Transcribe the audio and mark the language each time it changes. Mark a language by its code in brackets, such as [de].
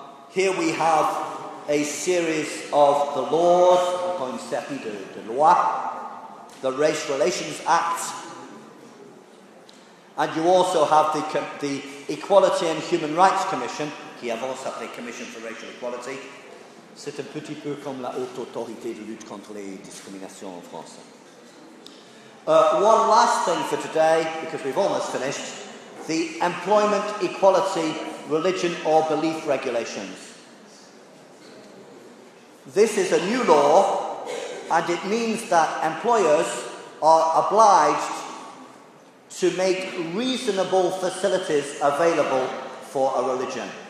[en] Here we have a series of the laws, [fr] un série de lois, [en] the Race Relations Act, and you also have the Equality and Human Rights Commission, [fr] qui avance à la [en] Commission for Racial Equality. [fr] C'est un petit peu comme la haute autorité de lutte contre les discriminations en France. [en] One last thing for today, because we've almost finished, the Employment Equality Religion or Belief Regulations. This is a new law, and it means that employers are obliged to make reasonable facilities available for a religion.